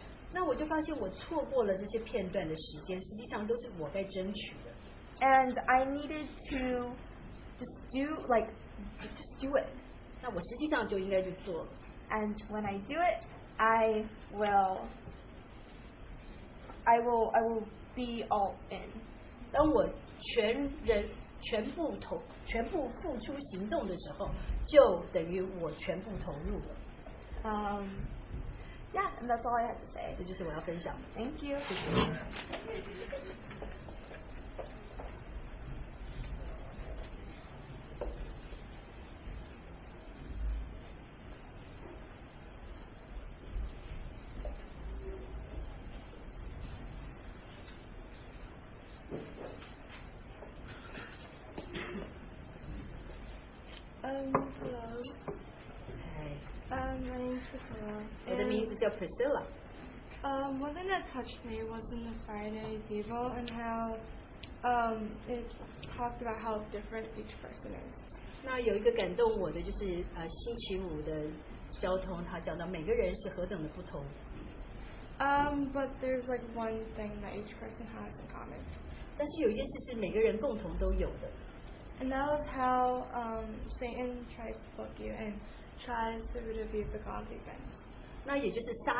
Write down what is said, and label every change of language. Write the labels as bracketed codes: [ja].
[zh] 那我就发现我错过了这些片段的时间，实际上都是我该争取的。 [en] And I needed to just do it. [zh] 那我实际上就应该就做了。 [en] And when I do it, I will be all in. [zh] 当我全人全部投全部付出行动的时候，就等于我全部投入了。 [en] Yeah, and that's all I have to say. [zh] 这就是我要分享的。 [en] Thank you. [zh] 谢谢。 [en] Hello. Hi. My name's Priscilla. And the name is Priscilla. One thing that touched me was in the Friday Devo and how it talked about how different each person is. [zh] 那有一个感动我的就是, 星期五的交通, 它讲到每个人是何等的不同。 [en] But there's like one thing that each person has in common. [zh] 但是有一件事是每个人共同都有的。 [en] And that was how Satan tries to book you and tries to root of you the godly things.